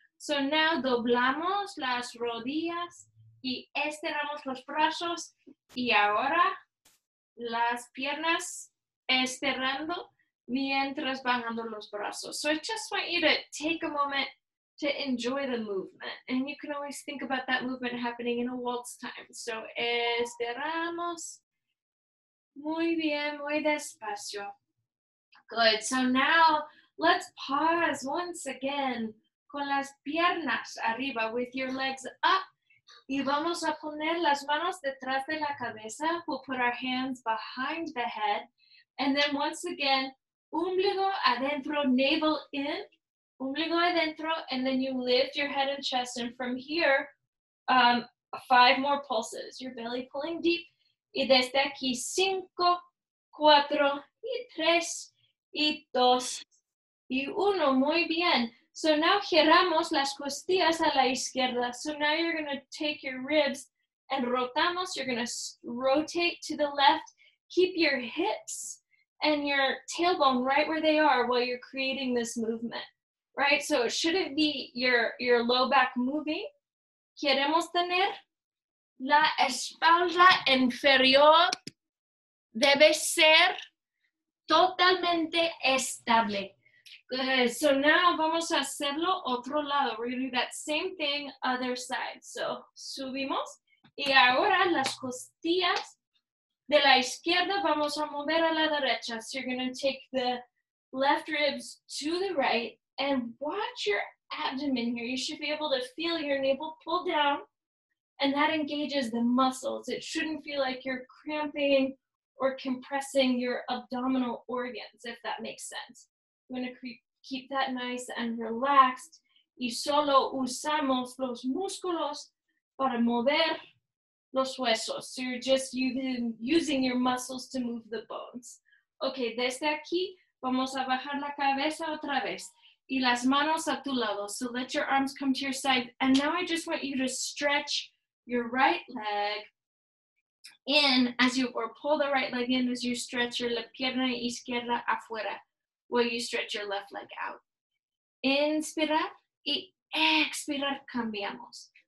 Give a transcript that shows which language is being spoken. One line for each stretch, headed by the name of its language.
Spanish: So now doblamos las rodillas y estiramos los brazos y ahora las piernas estirando mientras bajando los brazos.
English: So I just want you to take a moment to enjoy the movement. And you can always think about that movement happening in a waltz time.
Spanish: So estiramos. Muy bien, muy despacio.
English: Good. So now let's pause once again.
Spanish: Con las piernas arriba,
English: with your legs up.
Spanish: Y vamos a poner las manos detrás de la cabeza.
English: We'll put our hands behind the head. And then once again,
Spanish: umbligo adentro,
English: navel in.
Spanish: Umbligo adentro,
English: and then you lift your head and chest. And from here, five more pulses. Your belly pulling deep.
Spanish: Y desde aquí, cinco, cuatro, y tres, y dos, y uno. Muy bien.
English: So now
Spanish: giramos las costillas a la izquierda.
English: So now you're going to take your ribs and rotamos. You're going to rotate to the left. Keep your hips and your tailbone right where they are while you're creating this movement, right? So it shouldn't be your low back moving.
Spanish: Queremos tener la espalda inferior. Debe ser totalmente estable.
English: Good. So now
Spanish: vamos a hacerlo otro lado.
English: We're going to do that same thing, other side.
Spanish: So subimos. Y ahora las costillas de la izquierda vamos a mover a la derecha.
English: So you're going to take the left ribs to the right and watch your abdomen here. You should be able to feel your navel pull down and that engages the muscles. It shouldn't feel like you're cramping or compressing your abdominal organs, if that makes sense. We're going to keep that nice and relaxed.
Spanish: Y solo usamos los músculos para mover los huesos.
English: So you're just using your muscles to move the bones.
Spanish: Okay, desde aquí vamos a bajar la cabeza otra vez. Y las manos a tu lado.
English: So let your arms come to your side. And now I just want you to stretch your right leg in as you, or pull the right leg in as you stretch your
Spanish: la pierna izquierda afuera.
English: While you stretch your left leg out.
Spanish: Inspirar y expirar, cambiamos.